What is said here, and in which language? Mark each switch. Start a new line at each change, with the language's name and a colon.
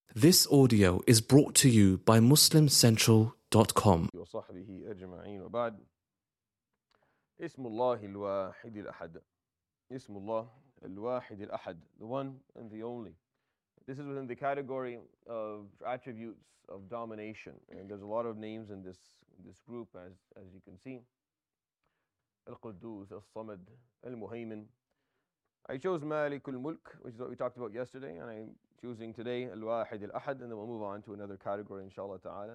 English: This audio is brought to you by MuslimCentral.com.
Arabic: وصحبه أجمعين وبعد اسم الله الواحد الأحد اسم الله الواحد الأحد
English: the one and the only. This is within the category of attributes of domination, and there's a lot of names in this group, as you can see.
Arabic: القدوس الصمد المهيمن.
English: I chose Malik al-Mulk, which is what we talked about yesterday, and I'm choosing today Al-Wahid al-Ahad, and then we'll move on to another category, inshallah ta'ala.